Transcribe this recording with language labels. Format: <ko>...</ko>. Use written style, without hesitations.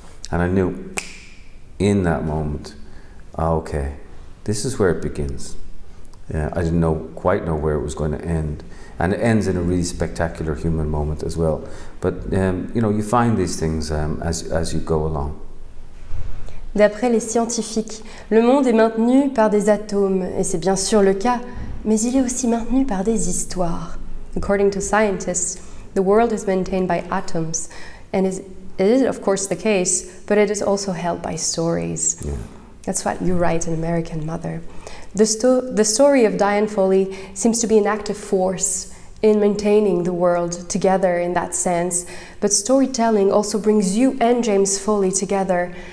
<en>And I knew in that moment, okay, this is where it begins. Yeah, I didn't know quite know where it was going to end. And it ends in a really spectacular human moment as well. But, you know, you find these things as you go along.</en> <fr>D'après les scientifiques, le monde est maintenu par des atomes, et c'est bien sûr le cas, mais il est aussi maintenu par des histoires.</fr> <en>According to scientists, the world is maintained by atoms, and it is of course the case, but it is also held by stories. Yeah. That's what you write in American Mother. The story of Diane Foley seems to be an active force in maintaining the world together in that sense, but storytelling also brings you and James Foley together.</en>